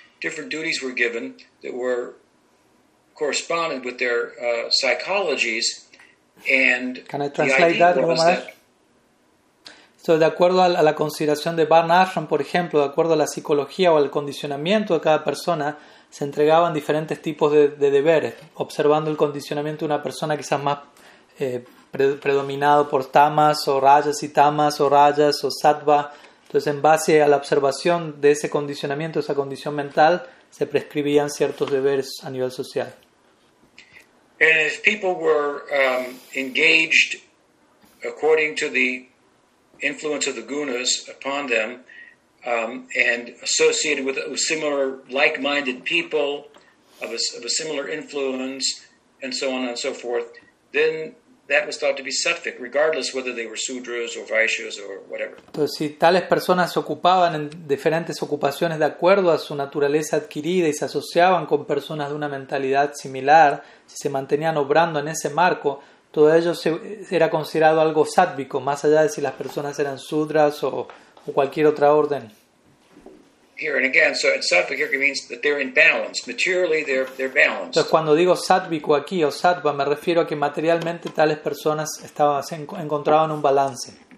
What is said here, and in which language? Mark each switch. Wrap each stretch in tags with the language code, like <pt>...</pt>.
<en>Different duties were given that were corresponded with their psychologies. And can I translate that, Omar?</en> <es>So, de acuerdo a la consideración de varnashram, por ejemplo, de acuerdo a la psicología o al condicionamiento de cada persona, se entregaban diferentes tipos de deberes, observando el condicionamiento de una persona quizás más predominado por tamas o rayas y tamas o rayas o sattva. Entonces, en base a la observación de ese condicionamiento, esa condición mental, se prescribían ciertos deberes a nivel social.</es> <en>And if people were engaged according to the influence of the gunas upon them, and associated with similar like-minded people of a similar influence and so on and so forth, then that was thought to be sattvic, regardless whether they were sudras or vaishyas or whatever.</en> <es>Entonces, si tales personas se ocupaban en diferentes ocupaciones de acuerdo a su naturaleza adquirida y se asociaban con personas de una mentalidad similar, si se mantenían obrando en ese marco, todo ello era considerado algo sattvico, más allá de si las personas eran sudras o cualquier otra orden.</es> <en>Here and again, so sattvic here means that they're in balance. Materially, they're balanced.</en> <es>Entonces, cuando digo sattvico aquí o sattva, me refiero a que materialmente tales personas se encontraban un balance.</es>